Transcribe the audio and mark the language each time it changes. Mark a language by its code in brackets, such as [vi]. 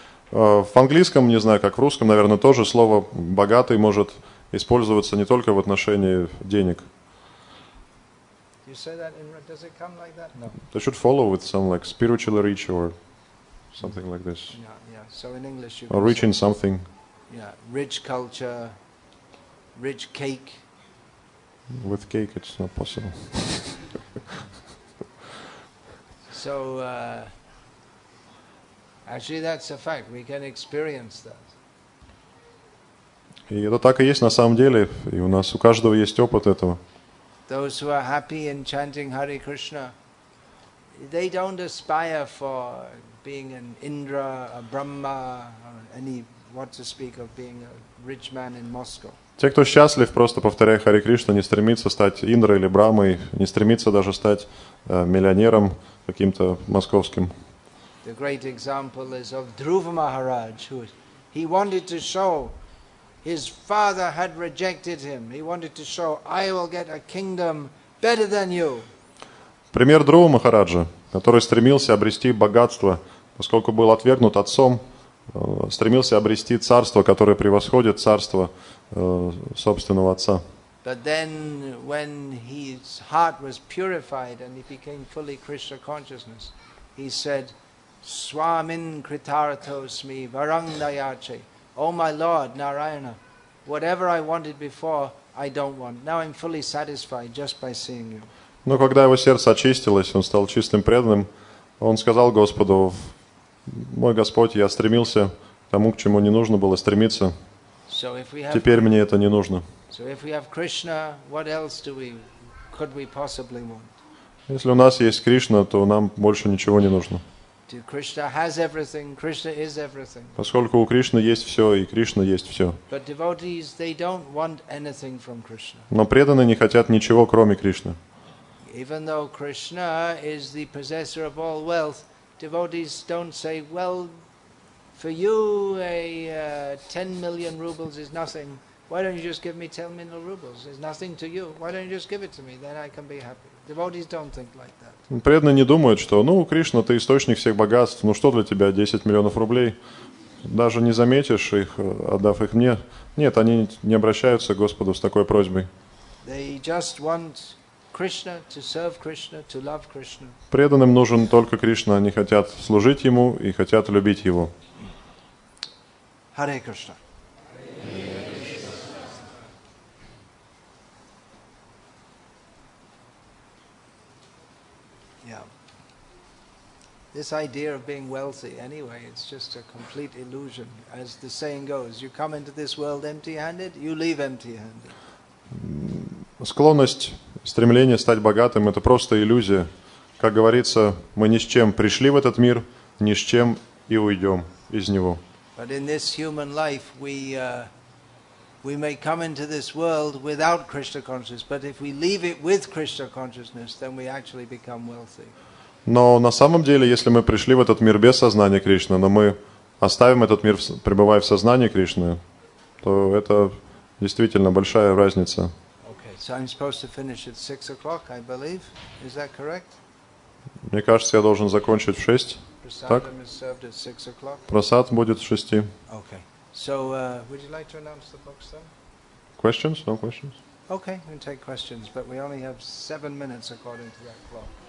[ru] В английском, не знаю, как в русском, наверное, тоже слово «богатый» может использоваться не только в отношении денег. [en] You say that in, does it come like that? No. They should follow with some like spiritual rich or something like this. Yeah. So in English you or rich say, in something. Yeah, rich culture, rich cake. With cake it's not possible. So actually, that's a fact. We can experience that. [ru] И это так и есть на самом деле, и у нас у каждого есть опыт этого. [en] Those who are happy in chanting Hare Krishna, they don't aspire for being an Indra, a Brahma, or any what to speak of being a rich man in Moscow. [ru] Те, кто счастлив, просто повторяя Хари Кришна, не стремится стать Индрой или Брамой, не стремится даже стать миллионером каким-то московским. [en] The great example is of Dhruva Maharaj, who he wanted to show his father had rejected him. He wanted to show, I will get a kingdom better than you. [ru] Пример Друва Махараджа, который стремился обрести богатство, поскольку был отвергнут отцом, стремился обрести царство, которое превосходит царство собственного отца. [en] But then when his heart was purified and he became fully Krishna consciousness, he said, [sa] Swamin kritarthosmi varangdayache. [en] Oh my Lord, Narayana, whatever I wanted before, I don't want. Now I'm fully satisfied just by seeing you. [ru] Но когда его сердце очистилось, он стал чистым преданным, он сказал Господу, мой Господь, я стремился к тому, к чему не нужно было стремиться. [en] So if we have, [ru] теперь мне это не нужно. [en] So if we have Krishna, what else do we, could we possibly want? [ru] Если у нас есть Кришна, то нам больше ничего не нужно. [en] Krishna has everything. Krishna is everything. [ru] Поскольку у Кришны есть все, и Кришна есть все. [en] But devotees, they don't want anything from Krishna. [ru] Но преданные не хотят ничего, кроме Кришны. [en] Even though Krishna is the possessor of all wealth, devotees don't say, "Well, for you, a 10 million rubles is nothing. Why don't you just give me 10 million rubles? It's nothing to you. Why don't you just give it to me? Then I can be happy." Devotees don't think like that. [ru] Преданные не думают, что, ну, Кришна, ты источник всех богатств, ну что для тебя 10 миллионов рублей? Даже не заметишь их, отдав их мне. Нет, они не обращаются к Господу с такой просьбой. [en] They just want Krishna to serve Krishna, to love Krishna. [ru] Преданным нужен только Кришна, они хотят служить Ему и хотят любить Его. [en] Hare Krishna. This idea of being wealthy, anyway, it's just a complete illusion. As the saying goes, you come into this world empty-handed, you leave empty-handed. [ru] Склонность Стремление стать богатым – это просто иллюзия. Как говорится, мы ни с чем пришли в этот мир, ни с чем и уйдем из него. [en] But in this human life, we may come into this world without Krishna consciousness, but if we leave it with Krishna consciousness, then we actually become wealthy. [ru] Но на самом деле, если мы пришли в этот мир без сознания Кришны, но мы оставим этот мир, пребывая в сознании Кришны, то это действительно большая разница. [en] Okay, so I'm supposed to finish at 6 o'clock, I believe. Is that correct? [ru] Мне кажется, я должен закончить в 6. Так, просад будет с 6. [en] Okay. So, would you like to announce the books then? Questions? No questions. Okay, we can take questions, but we only have 7 minutes according to that clock.